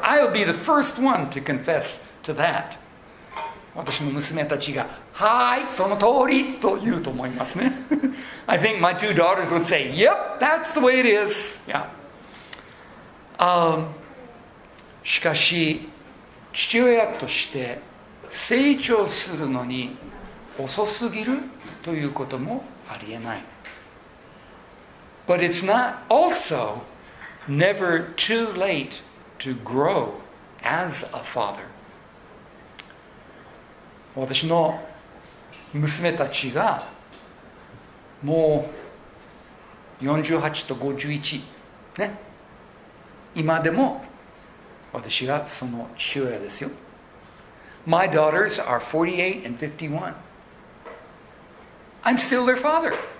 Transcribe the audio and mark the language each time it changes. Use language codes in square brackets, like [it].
[en] I'll be the first one to confess to that. [ja] 私の娘たちが、はい、その通りと言うと思いますね。 [en] I think my two daughters would say, yep, that's the way it is. Yeah. [ja] しかし、父親として成長するのに遅すぎるということもありえない。 [en] But it's not also never too late to grow as a father. [ja] 私の娘たちがもう48と51、ね、今でも私がその父親ですよ。 [en] My daughters are 48 and 51. I'm still their father.